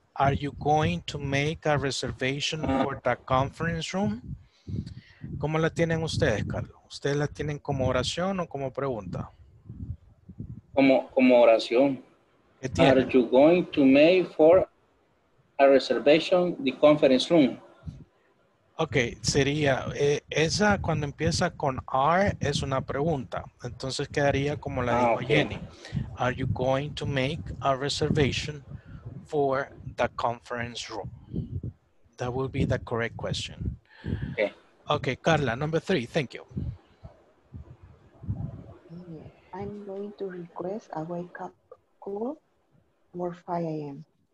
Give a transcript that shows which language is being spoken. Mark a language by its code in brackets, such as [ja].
[en] Are you going to make a reservation for the conference room? [es] ¿Cómo la tienen ustedes, Carla? ¿Ustedes la tienen como oración o como pregunta? Como oración. ¿Qué tiene? [en] Are you going to make for a reservation the conference room? [es] Ok, sería, esa cuando empieza con are es una pregunta. Entonces quedaría como la dijo Jenny. [en] Are you going to make a reservation for the conference room? That will be the correct question. Ok. Ok, Carla, number three, thank you. I'm going to request a wake-up call for 5 a.m.